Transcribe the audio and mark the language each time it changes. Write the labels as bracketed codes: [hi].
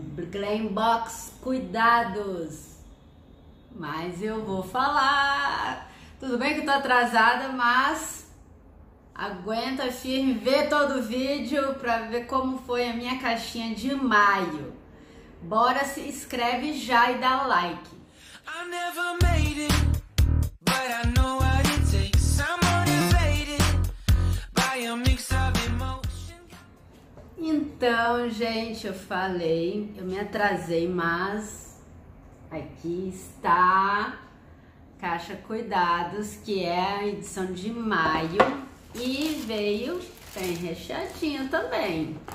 [pt] Glambox, cuidados! Mas eu vou falar! Tudo bem que eu tô atrasada, mas aguenta firme, vê todo o vídeo pra ver como foi a minha caixinha de maio. Bora, se inscreve já e dá like. [en] I never made it, but I know what it takes. I'm motivated by a mix of emotion. [pt] Então, gente, eu falei, eu me atrasei, mas aqui está Caixa Cuidados, que é a edição de maio e veio bem recheadinho também.